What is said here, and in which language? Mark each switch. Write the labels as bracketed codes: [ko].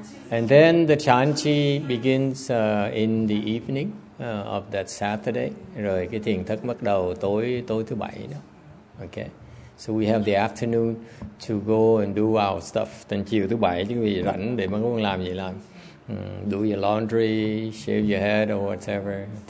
[en] And then the Chanchi begins in the evening of that Saturday. [vi] Rồi cái thiền thất bắt đầu tối thứ bảy đó. Okay. [en] So we have the afternoon to go and do our stuff. [vi] Then chiều thứ bảy chúng mình rảnh để mà muốn làm gì làm. [en] Do your laundry, shave your head or whatever.